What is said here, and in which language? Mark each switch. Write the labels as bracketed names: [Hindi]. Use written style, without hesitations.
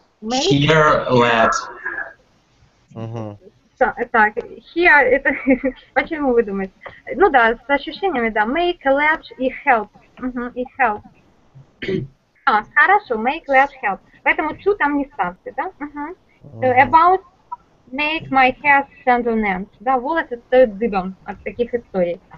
[English] Make. Here, let. Uh-huh. [Russian] Так, here, это, почему вы думаете? Ну да, с ощущениями, да, make, let и help, uh-huh, и help. А, хорошо, make, let, help. Поэтому to там не ставьте, да? Uh-huh. [English] So about make my hair stand on end. [Russian] Да, волосы стоят дыбом от таких историй.